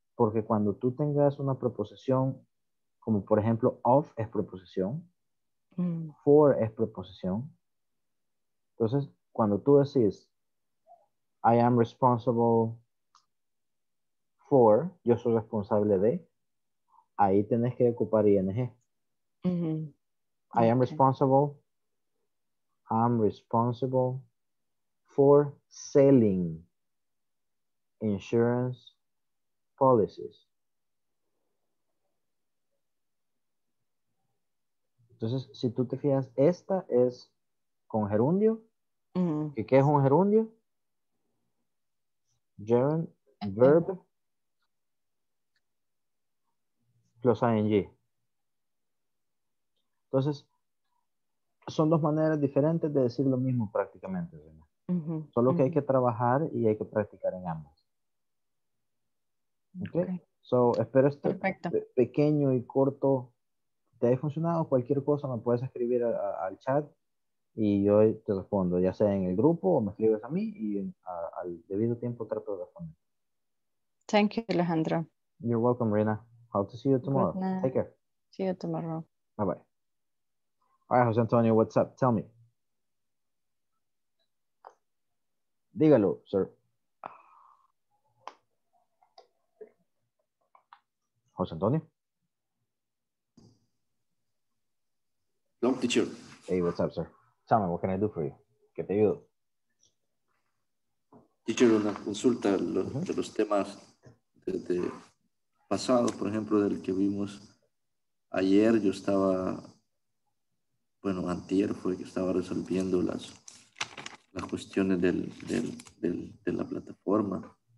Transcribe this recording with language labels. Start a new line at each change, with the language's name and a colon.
Spanish: Porque cuando tú tengas una preposición, como por ejemplo, of es preposición, for es preposición. Entonces, cuando tú decís,
English: I am responsible for,
Spanish: yo soy responsable de, ahí tenés que ocupar ING. Mm-hmm.
English: I am responsible. I'm responsible for selling insurance policies.
Spanish: Entonces, si tú te fijas, esta es con gerundio. Uh-huh. ¿Qué es un gerundio?
English: Gerund, uh-huh. verb, plus ing.
Spanish: Entonces, son dos maneras diferentes de decir lo mismo prácticamente. Uh-huh. Solo que hay que trabajar y hay que practicar en ambas.
English: Okay. Okay. So,
Spanish: espero este pequeño y corto te haya funcionado. Cualquier cosa me puedes escribir al chat y yo te respondo, ya sea en el grupo o me escribes a mí y al debido tiempo trato de responder.
English: Thank you, Alejandro. You're welcome, Rina. Hope to see you tomorrow. Take care. See you tomorrow. Bye bye. All right, José Antonio, what's up? Tell me.
Spanish: Dígalo, sir. José Antonio.
English: No, teacher. Hey, what's up, sir? Tell me, what can I do for you?
Spanish: ¿Qué te ayudo? Teacher, una consulta de los temas de pasado, por ejemplo, del que vimos ayer. Yo estaba, bueno, antier fue que estaba resolviendo las cuestiones de la plataforma.